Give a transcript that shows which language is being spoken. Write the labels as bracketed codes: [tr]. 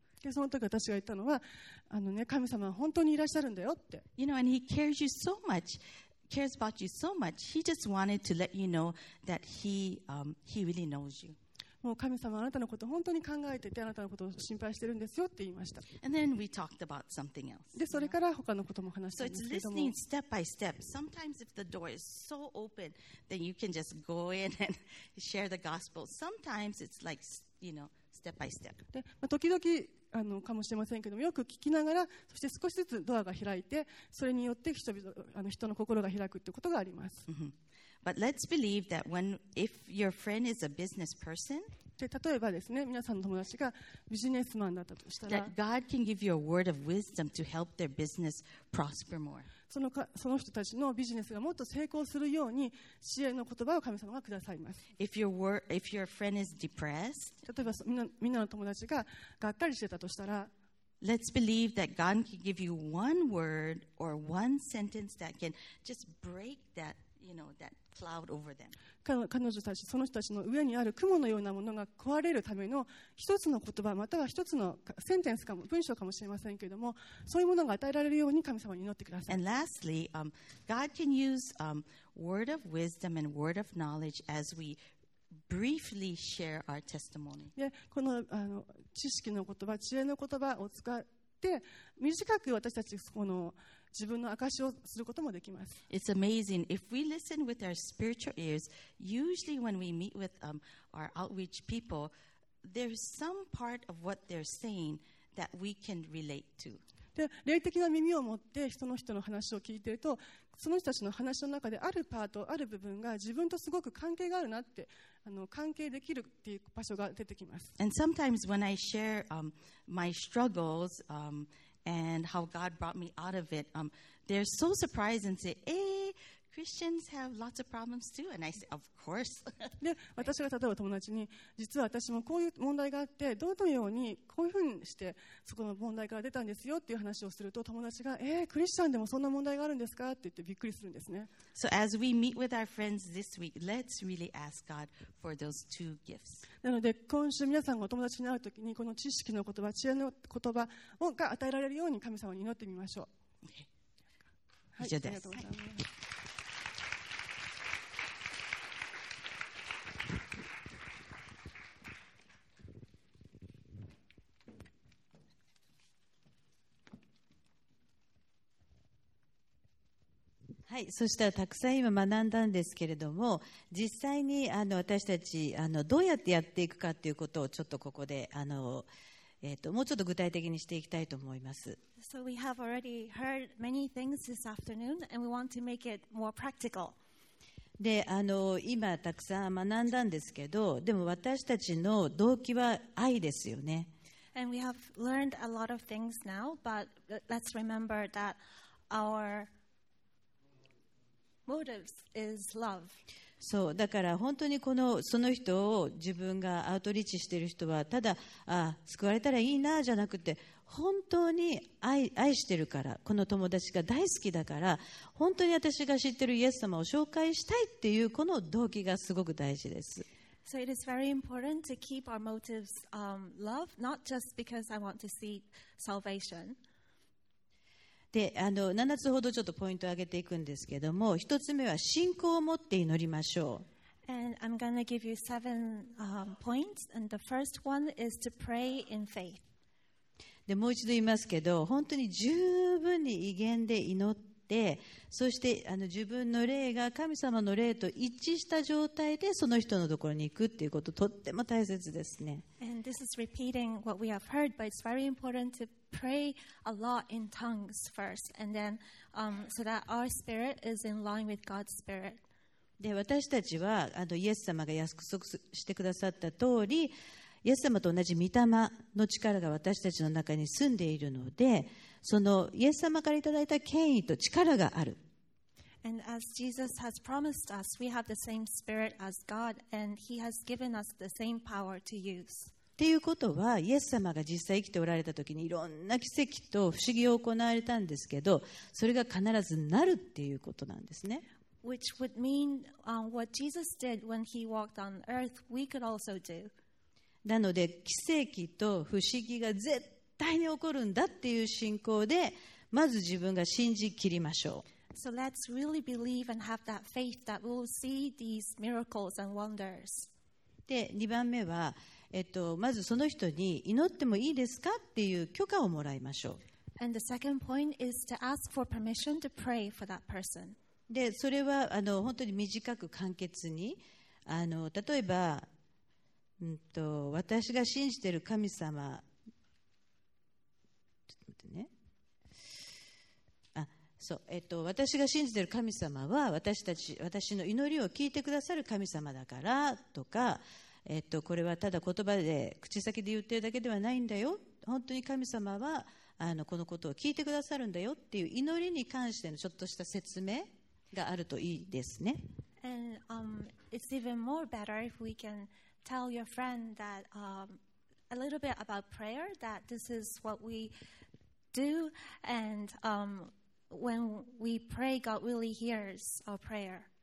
[ja] で、その時私が言ったのは、あのね、神様は本当にいらっしゃるんだよって。 [en] You know, and He cares you so much, cares about you so much. He just wanted to let you know that He really knows you. [ja] もう神様はあなたのことを本当に考えていてあなたのことを心配してるんですよって言いました。 [en] And then we talked about something else. [ja] でそれから他のことも話したんですけども。 [en] So it's listening step by step. Sometimes if the door is so open, then you can just go in and share the gospel. Sometimes it's like, you know, step by step. [ja] で、まあ、時々あのかもしれませんけども、よく聞きながら、そして少しずつドアが開いて、それによって人の心が開くってことがあります。 [en] But let's believe that when if your friend is a business person, [ja] で例えばですね、皆さんの友達がビジネスマンだったとしたら、 [en] that God can give you a word of wisdom to help their business prosper more. [ja] その人たちのビジネスがもっと成功するように支援の言葉を神様がくださいます。 [en] If your friend is depressed, [ja] 例えばみんなの友達ががっかりしてたとしたら、 [en] let's believe that God can give you one word or one sentence that can just break that. You know, that cloud over them. [ja] 彼女たち、その人たちの上にある雲のようなものが壊れるための一つの言葉、または一つのセンテンスかも、文章かもしれませんけれども、そういうものが与えられるように神様に祈ってください。 [en] And lastly, God can use word of wisdom and word of knowledge as we briefly share our testimony. [ja] で、この、あの、知識の言葉、知恵の言葉を使って、短く私たちこの自分の証をすることもできます。 [en] It's amazing. If we listen with our spiritual ears, usually when we meet with our outreach people, there's some part of what they're saying that we can relate to. [ja] で、霊的な耳を持って人の話を聞いていると、その人たちの話の中であるパート、ある部分が自分とすごく関係があるなって、あの、関係できるっていう場所が出てきます。 [en] And sometimes when I share my struggles, and how God brought me out of it. They're so surprised and say, hey, Christians have lots of problems too. And I say, of course. [ja] で、私が例えば友達に、実は私もこういう問題があって、どのようにこういうふうにしてそこの問題から出たんですよっていう話をすると、友達が、クリスチャンでもそんな問題があるんですかって言ってびっくりするんですね。 [en] So as we meet with our friends this week, let's really ask God for those two gifts. [ja] なので、今週皆さんがお友達に会うときに、この知識の言葉、知恵の言葉をが与えられるように神様に祈ってみましょう。 Okay. 以上です。はい、ありがとうございます。はい、はい、そしたらたくさん今学んだんですけれども、実際にあの私たちあのどうやってやっていくかということをちょっとここであの、もうちょっと具体的にしていきたいと思います。 [en] So we have already heard many things this afternoon and we want to make it more practical. [ja] で、あの今たくさん学んだんですけど、でも私たちの動機は愛ですよね。 [en] And we have learned a lot of things now but let's remember that ourMotives is love. [ja] そうだから本当にこのその人を自分がアウトリーチしている人はただ救われたらいいなじゃなくて、本当に 愛してるから、この友達が大好きだから、本当に私が知ってるイエス様を紹介したいっていうこの動機がすごく大事です。 [en] So it is very important to keep our motives love, not just because I want to see salvation. [ja] で、あの7つほどちょっとポイントを挙げていくんですけども、1つ目は信仰を持って祈りましょう。 [en] And I'm going to give you seven points. And the first one is to pray in faith. [ja] でもう一度言いますけど、本当に十分に威厳で祈って、そして自分の霊が神様の霊と一致した状態でその人のところに行くっていうこと、とっても大切ですね。 [en] And this is repeating what we have heard, but it's very important to pray a lot in tongues first, and then so that our spirit is in line with God's spirit. [ja] で私たちはイエス様が約束してくださった通り、イエス様と同じ御霊の力が私たちの中に住んでいるので、そのイエス様からいただいた権威と力がある。 [en] And as Jesus has promised us, we have the same spirit as God, and he has given us the same power to use. [ja] ということは、イエス様が実際生きておられた時にいろんな奇跡と不思議を行われたんですけど、それが必ずなるっていうことなんですね。 [en] Which would mean, what Jesus did when he walked on earth, we could also do. [ja] なので奇跡と不思議が絶対に起こるんだっていう信仰で、まず自分が信じ切りましょう。 [en] So let's really believe and have that faith that we'll see these miracles and wonders. [ja] で、2番目は、まずその人に祈ってもいいですかっていう許可をもらいましょう。 [en] And the second point is to ask for permission to pray for that person. [ja] でそれは本当に短く簡潔に、例えば、私が信じている神様、ちょっと待ってね、私が信じている神様は私の祈りを聞いてくださる神様だからとか、これはただ言葉で口先で言っているだけではないんだよ、本当に神様はこのことを聞いてくださるんだよっていう祈りに関してのちょっとした説明があるといいですね。 [en] And, it's even more better if we can tell your friend that, a little bit about prayer, that this is what we do, and, when we pray, God really hears our prayer.